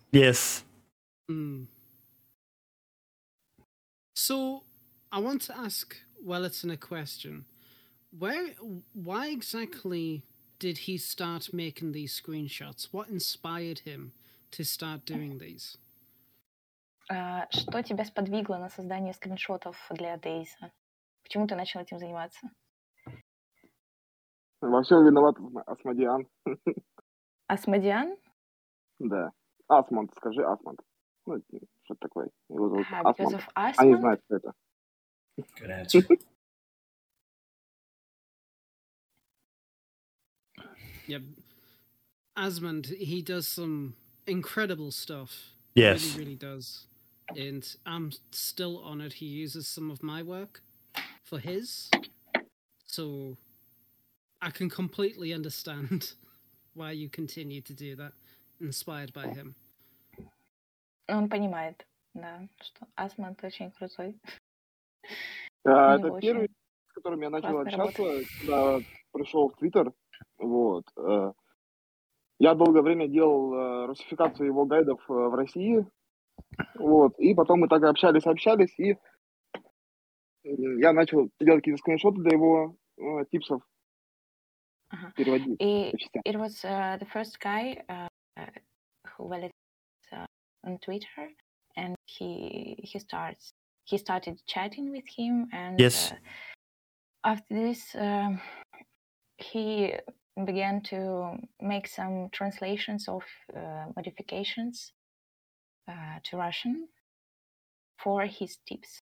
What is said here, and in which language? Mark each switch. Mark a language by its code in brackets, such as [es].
[en] Yes. So I want to ask Wellington a question. Why exactly did he start making these screenshots? What inspired him to start doing these? [ru] Что тебя сподвигло на создание скриншотов для Дейза? Почему ты начал этим заниматься? Во всем виноват Асмодиан. Асмодиан? Да. Асмонд, скажи Асмонд. Ну, что такое? Его зовут Асмонд. Они знают, что это. [en] Yep. Асмонд, he does some incredible stuff. Yes. He really does. And I'm still honored he uses some of my work for his. So I can completely understand why you continue to do that, inspired by him. [ru] Он понимает, да, что Асман очень крутой. Да, это первый, с которым я начал общаться, когда пришел в Twitter. Вот. Я долгое время делал русификацию его гайдов в России. Вот, и потом мы так общались, и я начал делать какие-то скриншоты для его типсов. [en] It was the first guy who valid on Twitter, and he started chatting with him, and yes. After this he began to make some translations of modifications to Russian for his tips.